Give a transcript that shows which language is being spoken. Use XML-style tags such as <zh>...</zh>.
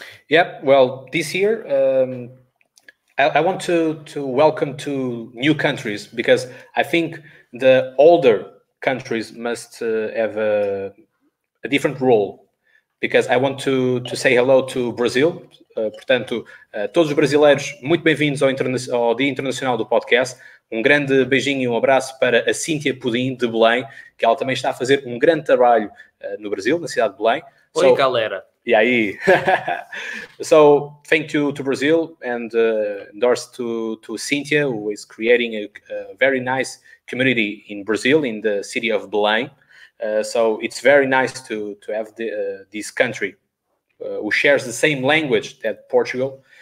<en>Yeah, well, this year I want to welcome to new countries, because I think the older countries must have a different role, because I want to say hello to Brazil.</en> <pt>Portanto, todos os brasileiros, muito bem-vindos ao Dia Internacional do Podcast. Um grande beijinho e um abraço para a Cíntia Pudim, de Belém, que ela também está a fazer um grande trabalho no Brasil, na cidade de Belém. Oi, galera. E aí?</pt> <en>So, thank you to Brazil, and endorse to Cíntia, who is creating a very nice community in Brazil, in the city of Belém. So it's very nice to have this country who shares the same language that Portugal.</en>